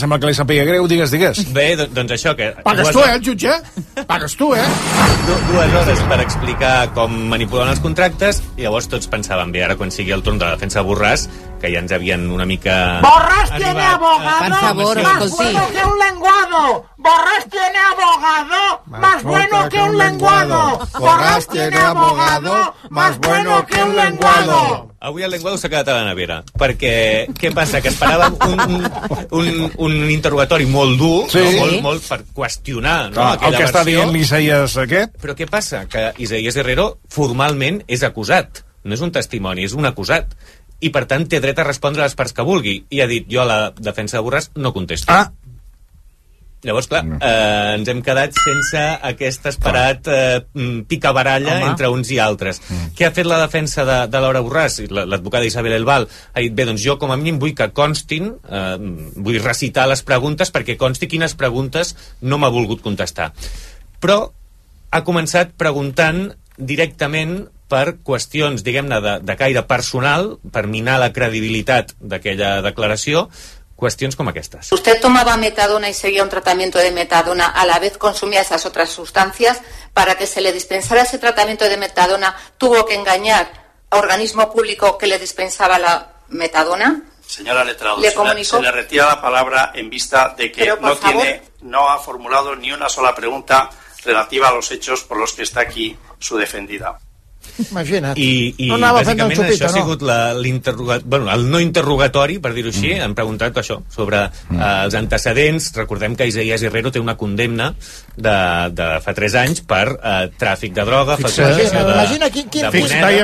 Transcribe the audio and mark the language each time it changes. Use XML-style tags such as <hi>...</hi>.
<ca>Sembla que li sàpiga greu. Digues. Bé, doncs això que... Pagues tu, el jutge. Dues hores per explicar com manipulen els contractes. I llavors tots pensàvem, bé, ara quan sigui el torn de la defensa de Borràs, que ja ens havien una mica...</ca> <es>Borràs tiene abogado más bueno que un lenguado. Borràs tiene abogado más bueno que un lenguado. Borràs tiene abogado más bueno que un lenguado.</es> <ca>Avui el lenguado s'ha quedat a la nevera, perquè què passa? Que esperàvem un interrogatori molt dur, sí. No? Molt per qüestionar, no? Clar, el que versió. Està dient l'Isaías aquest. Però què passa? Que Isaías Herrero formalment és acusat, no és un testimoni, és un acusat. I per tant té dret a respondre a les parts que vulgui. I ha dit, jo a la defensa de Borràs no contesto. Ah. Llavors, clar, ens hem quedat sense aquest esperat picabaralla entre uns i altres. Què ha fet la defensa de Laura Borràs? L'advocada Isabel Elbal ha dit, bé, doncs jo com a mínim vull que constin, vull recitar les preguntes perquè consti quines preguntes no m'ha volgut contestar. Però ha començat preguntant directament per qüestions, diguem-ne, de caire personal, per minar la credibilitat d'aquella declaració, cuestiones como estas.</ca> <es>¿Usted tomaba metadona y seguía un tratamiento de metadona a la vez consumía esas otras sustancias? ¿Para que se le dispensara ese tratamiento de metadona tuvo que engañar a organismo público que le dispensaba la metadona? Señora letrado, ¿Le retira la palabra en vista de que no ha formulado ni una sola pregunta relativa a los hechos por los que está aquí su defendida.</es> <ca>Imagina't. I bàsicament xupito, això ha sigut el no interrogatori, per dir-ho així. Han preguntat això, sobre els antecedents. Recordem que Isaías Herrero té una condemna de fa 3 anys per tràfic de droga, facturació de</ca>